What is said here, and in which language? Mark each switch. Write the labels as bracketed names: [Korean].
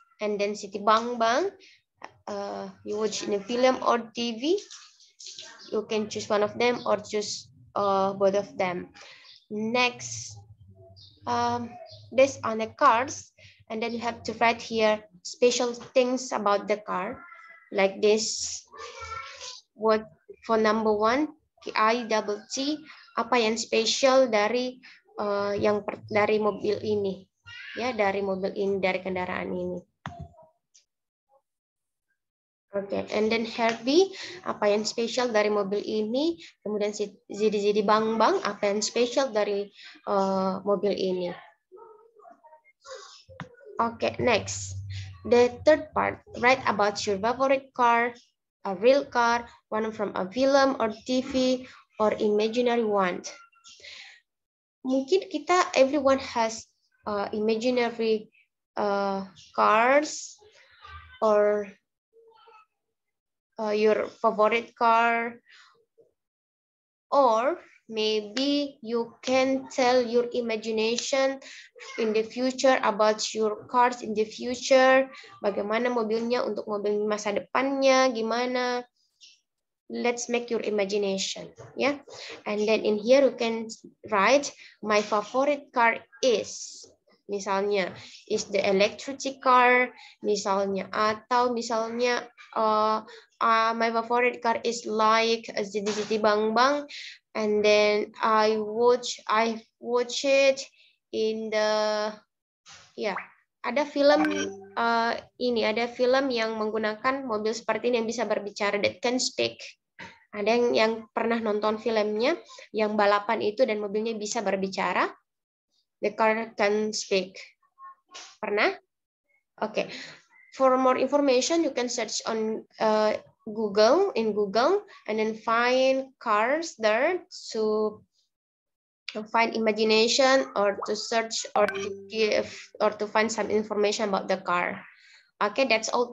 [English] And then City Bang Bang, you watch in a film or TV? You can choose one of them or choose both of them. Next, based on the cards, and then you have to write here special things about the car, like this. What for number one, [Indonesian] KIWT, apa yang spesial dari dari mobil ini, ya, dari mobil ini, dari kendaraan ini. [English] Okay, and then [Indonesian] Herbie, apa yang spesial dari mobil ini? Kemudian Zidi Bang Bang, apa yang spesial dari mobil ini? [English] Okay, next. The third part, write about your favorite car, a real car, one from a film or TV, or imaginary one. [Indonesian] Mungkin kita, [English] everyone has imaginary cars, or your favorite car, or maybe you can tell your imagination in the future about your cars in the future. [Indonesian] Bagaimana mobilnya untuk mobil masa depannya, gimana? [English] Let's make your imagination, yeah? And then in here you can write, my favorite car is, misalnya, is the electric car, misalnya, [Indonesian] atau misalnya, [English] my favorite car is like a ZDZD Bang Bang. And then I watch it in the, yeah, [Indonesian] ada film ini, ada film yang menggunakan mobil seperti ini yang bisa berbicara, [English] that can speak. [Indonesian] Ada yang pernah nonton filmnya yang balapan itu dan mobilnya bisa berbicara, [English] the car can speak. [Indonesian] Pernah? Oke. [English] For more information, you can search on Google, in Google, and then find cars there to find imagination or to search or to give or to find some information about the car. Okay, that's all.